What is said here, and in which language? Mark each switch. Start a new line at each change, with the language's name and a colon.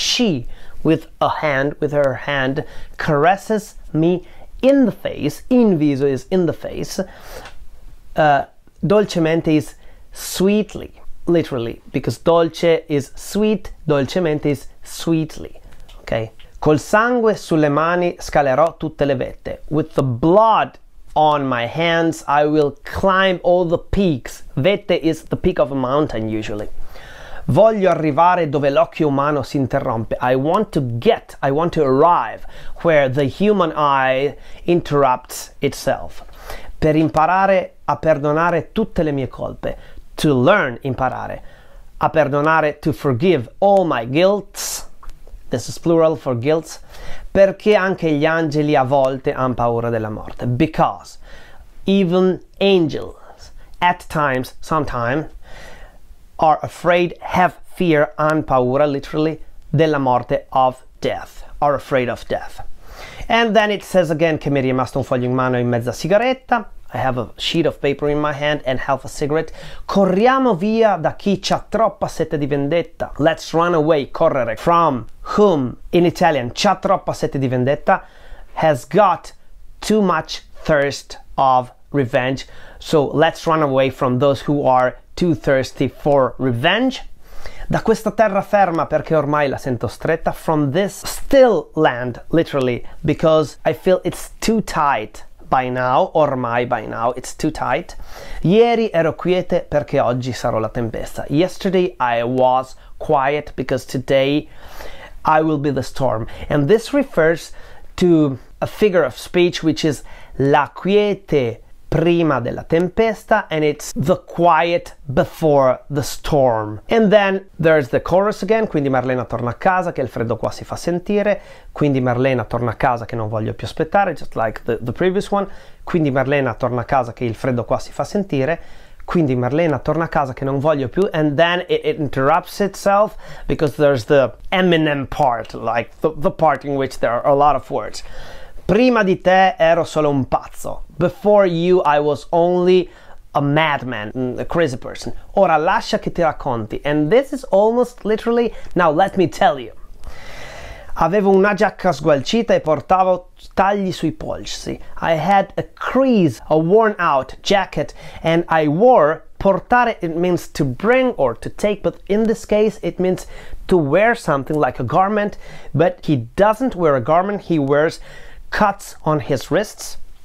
English: She, with a hand, with her hand, caresses me in the face,
Italian: in viso
English: is in the face, dolcemente is sweetly, literally, because dolce is sweet, dolcemente is sweetly, okay?
Italian: Col sangue sulle mani scalerò tutte le vette.
English: With the blood on my hands, I will climb all the peaks. Vette is the peak of a mountain, usually.
Italian: Voglio arrivare dove l'occhio umano si interrompe.
English: I want to arrive where the human eye interrupts itself.
Italian: Per imparare a perdonare tutte le mie colpe.
English: To learn, imparare. A perdonare, to forgive all my guilts. This is plural for guilts.
Italian: Perché anche gli angeli a volte hanno paura della morte.
English: Because even angels at times, sometime, are afraid, have fear,
Italian: hanno paura,
English: literally,
Italian: della morte,
English: of death. Are afraid of death. And then it says again,
Italian: che mi è rimasto un foglio in mano e mezza sigaretta.
English: I have a sheet of paper in my hand and half a cigarette.
Italian: Corriamo via da chi c'ha troppa sete di vendetta.
English: Let's run away, correre. From whom, in Italian,
Italian: c'ha troppa sete di vendetta,
English: has got too much thirst of revenge. So let's run away from those who are too thirsty for revenge.
Italian: Da questa terra ferma perché ormai la sento stretta.
English: From this still land, literally, because I feel it's too tight by now, ormai by now, it's too tight.
Italian: Ieri ero quiete perché oggi sarò la tempesta.
English: Yesterday I was quiet because today I will be the storm. And this refers to a figure of speech which is
Italian: la quiete prima della tempesta,
English: and it's the quiet before the storm.
Italian: And then there's the chorus again, quindi Marlena torna a casa, che il freddo qua si fa sentire, quindi Marlena torna a casa, che non voglio più aspettare,
English: just like the previous one,
Italian: quindi Marlena torna a casa, che il freddo qua si fa sentire, quindi Marlena torna a casa, che non voglio più,
English: and then it interrupts itself, because there's the Eminem part, like the part in which there are a lot of words.
Italian: Prima di te ero solo un pazzo.
English: Before you I was only a madman, a crazy person.
Italian: Ora lascia che ti racconti.
English: And this is almost literally, now let me tell you.
Italian: Avevo una giacca sgualcita e portavo tagli sui polsi.
English: I had a crease, a worn out jacket, and I wore, portare, it means to bring or to take, but in this case it means to wear something like a garment, but he doesn't wear a garment, he wears cuts on his wrists.